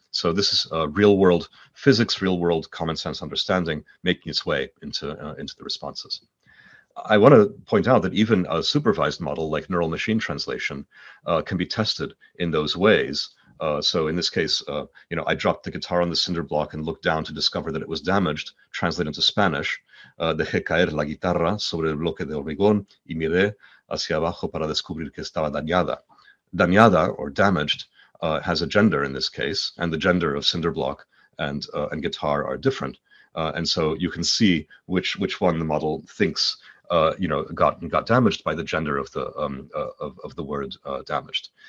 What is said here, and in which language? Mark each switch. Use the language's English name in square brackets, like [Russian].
[English] So this is real-world physics, real-world common sense understanding making its way into the responses. I want to point out that even a supervised model like neural machine translation can be tested in those ways. So in this case, I dropped the guitar on the cinder block and looked down to discover that it was damaged, translated into Spanish. [Spanish] Dejé caer la guitarra sobre el bloque de hormigón y miré hacia abajo para descubrir que estaba dañada. [English] Dañada, or damaged, has a gender in this case, and the gender of cinder block and guitar are different. And so you can see which one the model thinks got damaged by the gender of the word damaged.